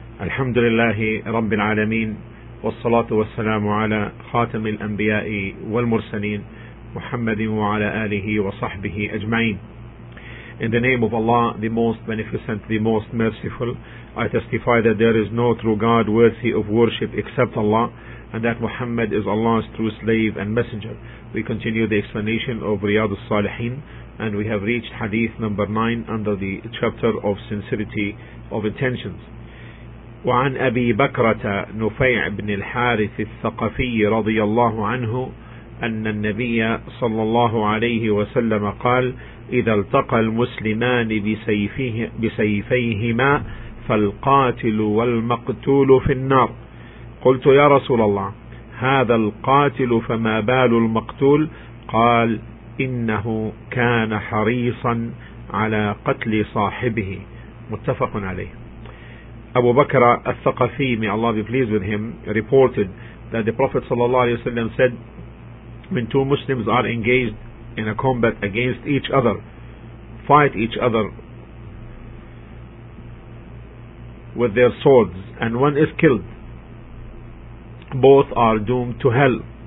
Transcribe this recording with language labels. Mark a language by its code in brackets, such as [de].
[ar] الحمد لله رب العالمين، والصلاة والسلام على خاتم الأنبياء والمرسلين محمد وعلى آله وصحبه أجمعين. [en] In the name of Allah, the Most Beneficent, the Most Merciful, I testify that there is no true God worthy of worship except Allah, and that Muhammad is Allah's true slave and messenger. We continue the explanation of Riyadh al-Salihin, and we have reached hadith number 9 under the chapter of sincerity of intentions. [ar] وعن أبي بكرة نفيع بن الحارث الثقفي رضي الله عنه أن النبي صلى الله عليه وسلم قال إذا التقى المسلمان بسيفيهما فالقاتل والمقتول في النار. قلت يا رسول الله، هذا القاتل فما بال المقتول؟ قال إنه كان حريصا على قتل صاحبه. متفق عليه. [en] Abu Bakr al-Thaqafi, may Allah be pleased with him, reported that the Prophet ﷺ said, when two Muslims are engaged in a combat against each other, fight each other with their swords, and one is killed, both are doomed to hell.